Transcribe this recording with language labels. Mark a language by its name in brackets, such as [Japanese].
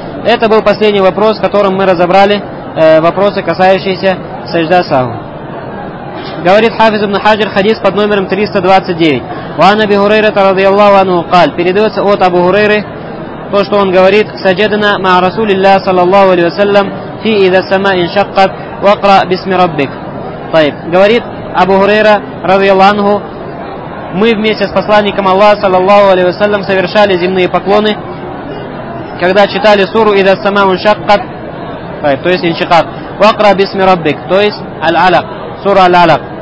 [Russian] Это был последний вопрос, в котором мы разобрали вопросы, касающиеся сажда сагу. Говорит Хафиз ибн Хаджр, хадис под номером 329. [Arabic] «Ва Аби Гурейрата радиаллаху анху каль». [Russian] Передается от Абу Гурейры то, что он говорит. [Arabic] «Саджадана маа Расулилля саллаллаху алейхи ва саллям في إذا السماء انشقت وقرأ باسم ربك. [Russian] طيب, говорит Абу Хурейра رضي الله عنه, мы вместе с посланником Аллаха саллаллаху алейхи ва саллям совершали земные поклоны, когда читали суру إذا السماء انشقت, то есть انشقاق, [Arabic] وقرأ باسم ربك, [Russian] то есть العلق, сура العلق.